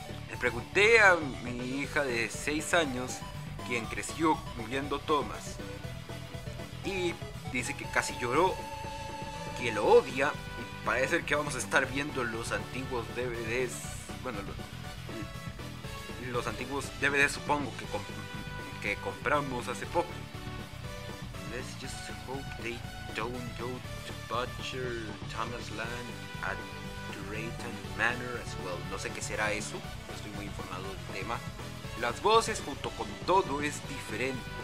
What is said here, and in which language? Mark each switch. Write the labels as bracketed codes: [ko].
[es] Le pregunté a mi hija de 6 años, quien creció viendo Thomas, y dice que casi lloró, que lo odia, y parece que vamos a estar viendo los antiguos DVDs, bueno, los antiguos DVDs, supongo, que compramos hace poco. [en] Let's just hope they don't go to butcher Thomas Land at Drayton Manor as well. [es] No sé qué será eso, no estoy muy informado del tema. Las voces junto con todo es diferente.